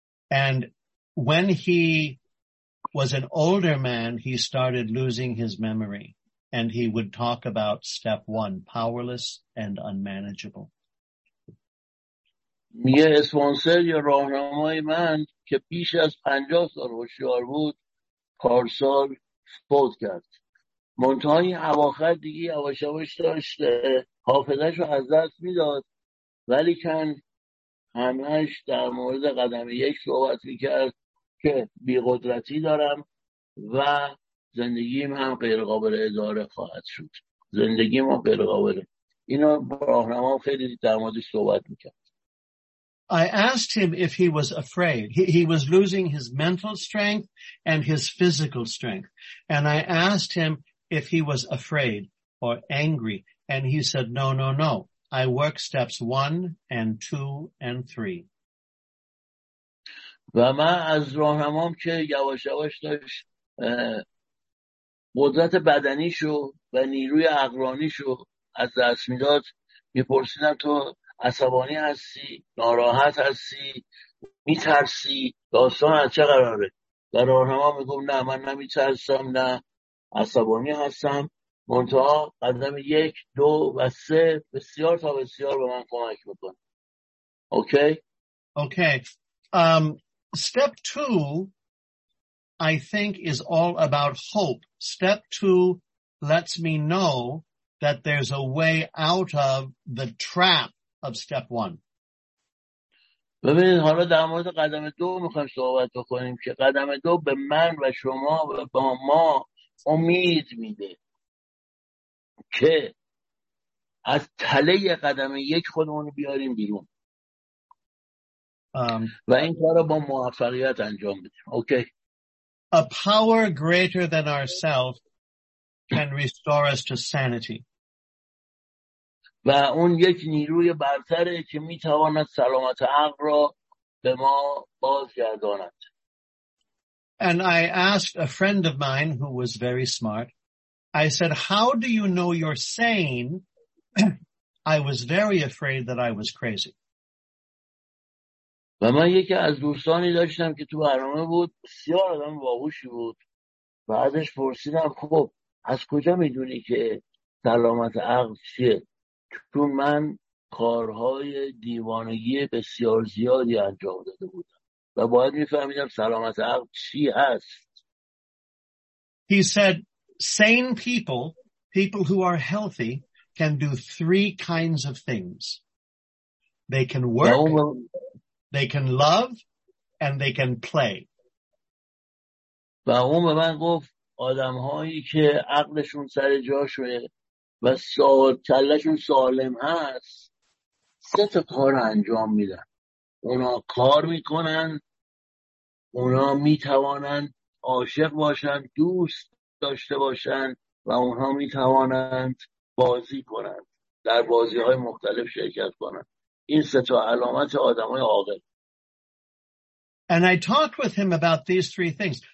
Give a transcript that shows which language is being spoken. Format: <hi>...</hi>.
<en>And when he was an older man, he started losing his memory. And he would talk about step one, powerless and unmanageable.</en> <fa>یه اسپانسر یا راهنمای من که بیش از 50 سال هوشیار بود پارسال فوت کرد. منتهای اواخر دیگه یواش یواش داشت حافظش رو از دست میداد، ولی کن همش در مورد قدم یک صحبت میکرد که بی قدرتی دارم و زندگیم هم غیر قابل اداره خواهد شد. زندگیم هم غیر قابل. اینا راهنما خیلی در موردش صحبت میکرد.</fa> <en>I asked him if he was afraid. He was losing his mental strength and his physical strength. And I asked him if he was afraid or angry. And he said, no, no, no. I work steps 1 and 2 and 3.</en> <fa>و من از راهنمام که یواش یواش داشت قدرت بدنیشو و نیروی عقلانیشو از دست میداد میپرسیدم تو عصبانی هستی؟ ناراحت هستی؟ میترسی؟ داستان از چه قراره؟ و راهنمام میگم نه، من نمیترسم، نه عصبانی هستم، منتها قدم 1, 2, and 3 بسیار تا بسیار به من کمک میکنه. اوکی؟</fa> <en>Okay. Step 2 I think is all about hope. Step 2 lets me know that there's a way out of the trap of step 1.</en> <fa>ببینید حالا در مورد قدم 2 میخوایم صحبت بکنیم که قدم 2 به من و شما و با ما امید میده که از تله قدم 1 خودمون رو بیاریم بیرون. و این کار رو با موفقیت انجام بدیم. اوکی.</fa> <en>A power greater than ourselves can restore us to sanity.</en> <fa>و اون یک نیروی برتره که میتواند سلامت عقل را به ما بازگرداند.</fa> <en>And I asked a friend of mine who was very smart. I said, "How do you know you're sane?" I was very afraid that I was crazy.</en> <fa>و من یکی از دوستانی داشتم که تو برنامه بود، بسیار آدم باهوشی بود. بعدش پرسیدم خب از کجا میدونی که سلامت عقل چیه؟ چون من کارهای دیوانگی بسیار زیادی انجام داده بودم و باید میفهمیدم سلامت عقل چی هست.</fa> <en>He said sane people, people who are healthy, can do 3 kinds of things. They can work, they can love, and they can play.</en> <fa>و اون به من گفت آدم هایی که عقلشون سر جاشه و کلشون سالم هست 3 کار انجام میدن. اونا کار میکنن، اونا میتوانن عاشق باشن، دوست داشته باشن، و اونا میتوانن بازی کنن، در بازی های مختلف شرکت کنن. این 3 علامت آدم های عاقل.</fa> <en>And I talked with him about these 3 things.</en>